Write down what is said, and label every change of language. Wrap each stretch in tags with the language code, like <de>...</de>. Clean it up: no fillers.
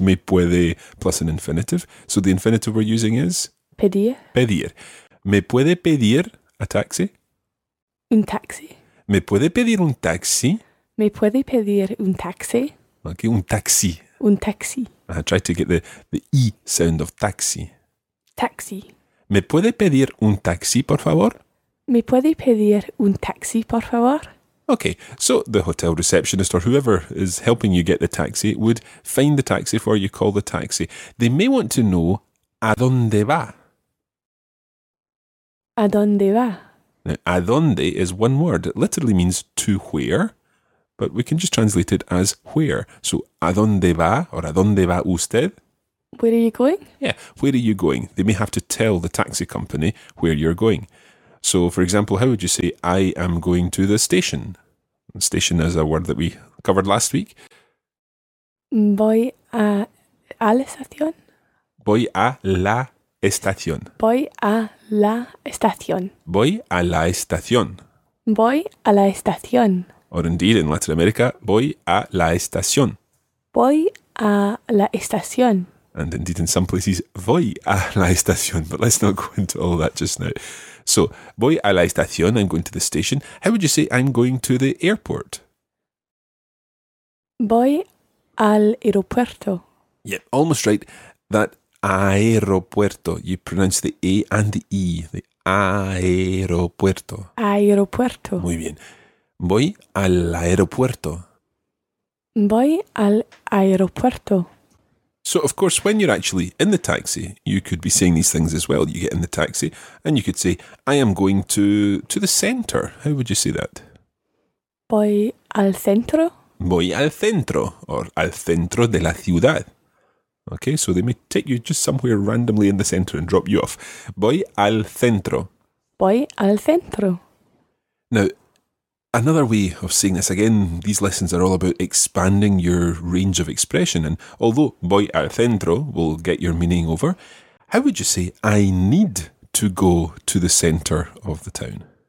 <es>Me puede</es> <en>plus an infinitive. So the infinitive we're using is?</en> <es>Pedir. Pedir. Me puede pedir a taxi? Un taxi. Me puede pedir un taxi? Me puede pedir un taxi. Okay, un taxi. Un taxi.</es> <en>I tried to get the E sound of taxi.</en> <es>Taxi. Me puede pedir un taxi, por favor? ¿Me puede pedir un taxi, por favor?</es> <en>Okay, so the hotel receptionist or whoever is helping you get the taxi would find the taxi for you, call the taxi. They may want to know,</en> <es>¿a dónde va? ¿A dónde va?</es> <en>Now,</en> <es>¿a dónde</es> <en>is one word? It literally means to where, but we can just translate it as where.</en> <es>So, ¿a dónde va? Or, ¿a dónde va usted?</es> <en>Where are you going? Yeah, where are you going? They may have to tell the taxi company where you're going. So, for example, how would you say, I am going to the station? Station is a word that we covered last week.</en> <es>Voy a la estación. Voy a la estación. Voy a la estación. Voy a la estación. Voy a la estación.</es> <en>Or indeed, in</en> <es>Latinoamérica, voy a la estación. Voy a la estación.</es> <en>And indeed, in some places,</en> <es>voy a la estación.</es> <en>But let's not go into all that just now. So,</en> <es>voy a la estación,</es> <en>I'm going to the station. How would you say I'm going to the airport?</en> <es>Voy al aeropuerto.</es> <en>Yeah, almost right. That aeropuerto, you pronounce the A and the E.</en> <es>The aeropuerto. Aeropuerto. Muy bien. Voy al aeropuerto. Voy al aeropuerto.</es> <en>So, of course, when you're actually in the taxi, you could be saying these things as well. You get in the taxi and you could say, I am going to the centre. How would you say that?</en> <es>Voy al centro. Voy al centro, or al centro de la ciudad.</es> <en>Okay, so they may take you just somewhere randomly in the centre and drop you off.</en> <es>Voy al centro. Voy al centro.</es> <en>Now, another way of saying this, again, these lessons are all about expanding your range of expression. And although</en> <es>voy al centro</es> <en>will get your meaning over, how would you say I need to go to the centre of the town?</en>